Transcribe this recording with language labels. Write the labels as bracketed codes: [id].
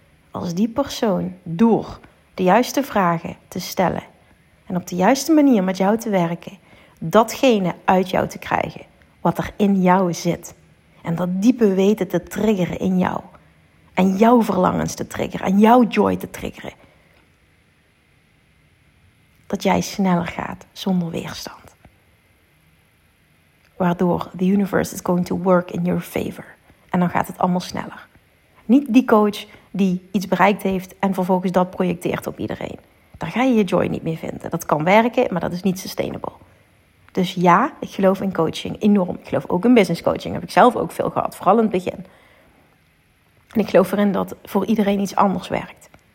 [nl] Als die persoon door de juiste vragen te stellen en op de juiste manier met jou te werken, datgene uit jou te krijgen wat er in jou zit. En dat diepe weten te triggeren in jou. En jouw verlangens te triggeren. En jouw joy te triggeren. Dat jij sneller gaat zonder weerstand. [en] Waardoor the universe is going to work in your favor. [nl] En dan gaat het allemaal sneller. Niet die coach die iets bereikt heeft en vervolgens dat projecteert op iedereen. Daar ga je je joy niet meer vinden. Dat kan werken, maar dat is niet sustainable. Dus ja, ik geloof in coaching enorm. Ik geloof ook in business coaching. Heb ik zelf ook veel gehad, vooral in het begin. En ik geloof erin dat voor iedereen iets anders werkt.